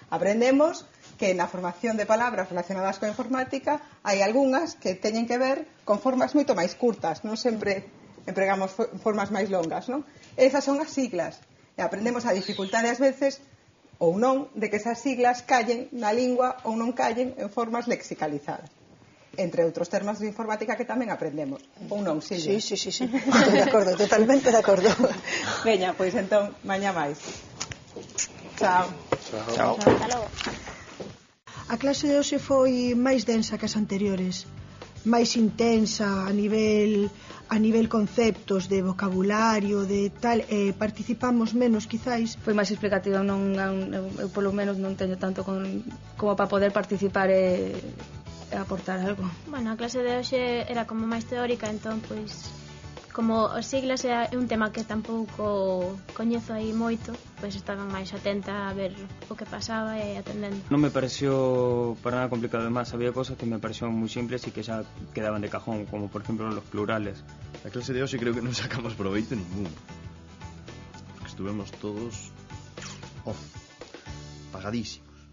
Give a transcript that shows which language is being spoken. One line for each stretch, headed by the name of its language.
Galician: Aprendemos que na formación de palabras relacionadas coa informática hai algunhas que teñen que ver con formas moito máis curtas, non sempre empregamos formas máis longas, non? Esas son as siglas. E aprendemos a dificultade ás veces, ou non, de que esas siglas callen na lingua ou non callen en formas lexicalizadas. Entre outros termos de informática que tamén aprendemos. Ou non, Silvia? Sí. Estou de acordo, totalmente de acordo. Veña, pois entón, mañá máis. Chao. Hasta logo. A clase de hoxe foi máis densa que as anteriores. Máis intensa a nivel conceptos, de vocabulario, de tal, participamos menos, quizáis. Foi máis explicativo, eu polo menos non teño tanto como para poder participar e aportar algo. Bueno, a clase de hoxe era como máis teórica, entón, pois, como as siglas é un tema que tampouco coñezo aí moito, pois estaba máis atenta a ver o que pasaba e atendendo.
Spanish: Non me pareció para nada complicado, además había cosas que me parecieron
Galician: moi simples e que xa quedaban
Spanish: de cajón, como por exemplo los plurales.
Galician: A clase de hoxe creo que non sacamos proveito ningún, porque estuvemos todos off, pagadísimo.